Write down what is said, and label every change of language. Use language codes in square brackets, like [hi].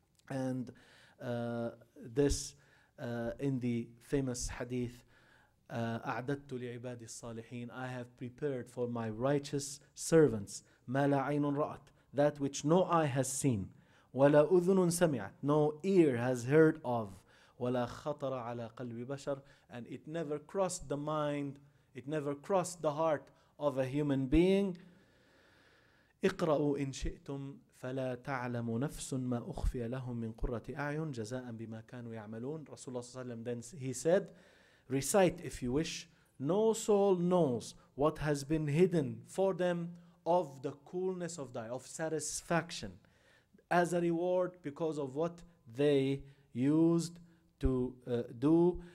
[en] And in the famous hadith, [ar] أعددت لعباد الصالحين, [en] I have prepared for my righteous servants, [ar] ما لا عين رأت, [en] that which no eye has seen, [ar] ولا أذن سمعت, [en] no ear has heard of, [ar] ولا خطر على قلب بشر, [en] and it never crossed the mind, it never crossed the heart of a human being. [ar] اقرأوا إن شئتم فلا تعلم نفس ما أخفي لهم من قرة أعين جزاء بما كانوا يعملون. [en] رسول الله صلى الله عليه وسلم, then he said, recite if you wish, no soul knows what has been hidden for them of the coolness of die, of satisfaction, as a reward because of what they used to do.